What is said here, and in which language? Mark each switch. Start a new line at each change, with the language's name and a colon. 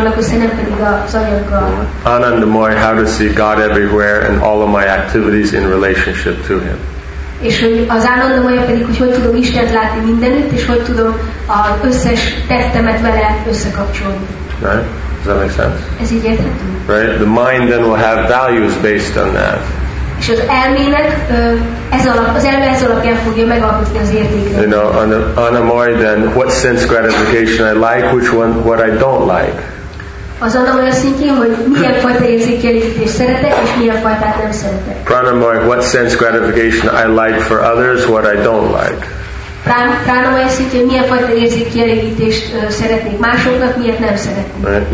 English: Anandamoya, how to see God everywhere and all of my activities in relationship to Him.
Hungarian: És az Anandamaya pedig, hogy hogy tudom Istent látni mindenütt, és hogy tudom az összes tettemet vele összekapcsolni.
English: Right? Does that make sense?
Hungarian: Ez így érthető.
English: Right? The mind then will have values based on that.
Hungarian: És az elmének, az elme ez alapján fogja megalkotni az értékeket.
English: You know, Anandamaya then, what sense gratification I like, which one, what I don't like.
Hungarian: Az Anandamaya szintjén, hogy milyen fajta érzékelítést szeretek, és milyen fajtát nem szeretek.
English: Pranamoy, what sense gratification I like for others, what I don't like.
Hungarian: Pranamoy szintjén, hogy milyen fajta érzékelítést szeretnék másoknak, milyet nem szeretnék.